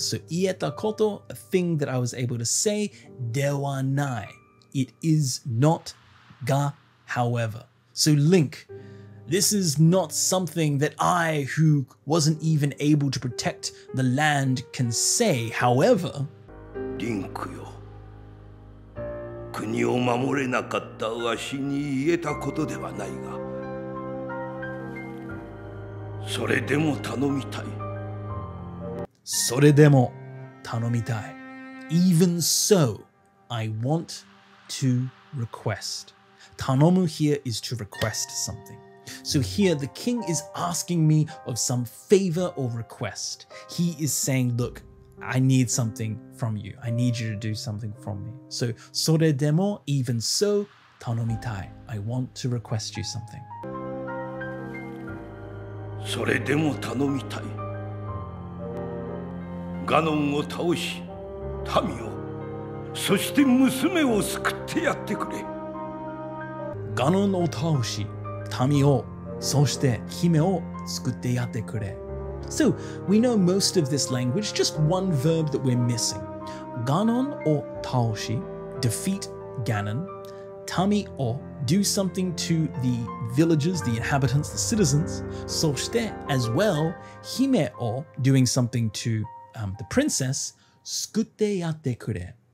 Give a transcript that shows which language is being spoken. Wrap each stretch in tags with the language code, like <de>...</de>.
<en>So,</en> <ja>ieta koto,</ja> <en>a thing that I was able to say,</en> <ja>dewa nai.</ja> <en>It is not ga, however. So, link, this is not something that I, who wasn't even able to protect the land, can say, however...</en> <ja>リンクよ、国を守れなかったわしに言えたことではないが、それでも頼みたい。それでも頼みたい。</ja> <en>Even so, I want to request. 頼む here is to request something. So here, the king is asking me of some favor or request. He is saying, look,I need something from you. I need you to do something from me. So,</en> <ja>それでも</ja> <en>even so,</en> <ja>頼みたい.</ja> <en>I want to request you something.</en> <ja>それでも頼みたい. ガノンを倒し、民を、そして娘を救ってやってくれ. ガノンを倒し、民を、そして姫を救ってやってくれ.</ja> <en>So, we know most of this language, just one verb that we're missing.</en> <ja>Ganon o taoshi,</ja> <en>defeat Ganon.</en> <ja>民を</ja> <en>do something to the villagers, the inhabitants, the citizens.</en> <ja>そして</ja> <en>as well,</en> <ja>姫を</ja> <en>doing something to the princess,</en> <ja>救ってやってくれ。</ja>